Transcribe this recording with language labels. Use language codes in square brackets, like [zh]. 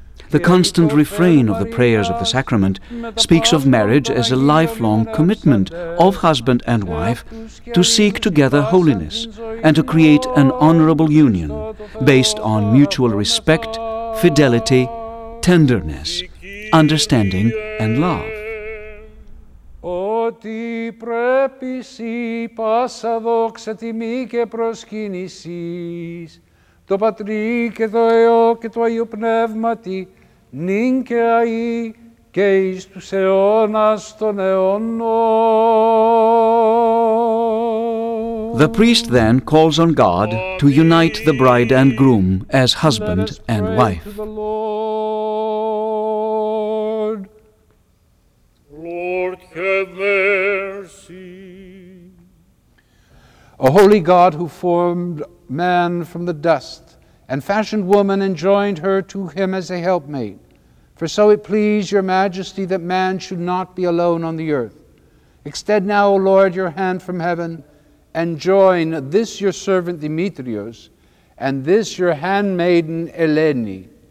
[en] The constant refrain of the prayers of the sacrament speaks of marriage as a lifelong commitment of husband and wife to seek together holiness and to create an honorable union based on mutual respect, fidelity, tenderness, understanding, and love. [el] Ότι πρέπει σοι πάσα δόξα τιμή και προσκύνησις το Πατρί και το Υιό και το Αγίο Πνεύματι νυν και αΐ και εις τους αιώνας των αιώνων. [en] The priest then calls on God to unite the bride and groom as husband and wife. Lord, have mercy. O holy God, who formed man from the dust and fashioned woman and joined her to him as a helpmate, for so it pleased your majesty that man should not be alone on the earth, extend now, O Lord, your hand from heaven and join this your servant Demetrios and this your handmaiden Eleni.